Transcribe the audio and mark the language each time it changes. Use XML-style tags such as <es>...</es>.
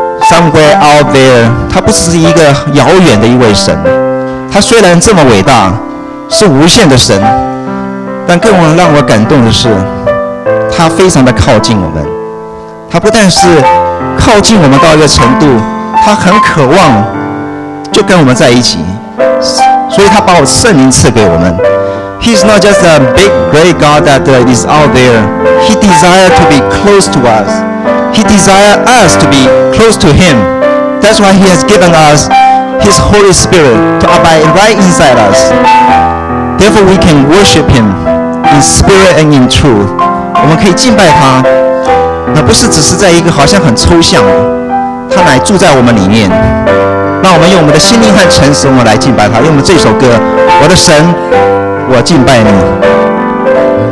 <en>Somewhere out there，</en> <zh>他不只是一个遥远的一位神，他虽然这么伟大，是无限的神，但更让我感动的是，他非常的靠近我们。他不但是靠近我们到一个程度，他很渴望就跟我们在一起，所以他把我圣灵赐给我们。</zh> <en>He's not just a big great God that is out there. He desires to be close to us. He desires us to be close to Him. That's why He has given us His Holy Spirit to abide right inside us. Therefore, we can worship Him in spirit and in truth.</en> <zh>我们可以敬拜他，那不是只是在一个好像很抽象的，他乃住在我们里面。让我们用我们的心灵和诚实，我们来敬拜他。用我们这首歌，我的神，我敬拜你。</zh>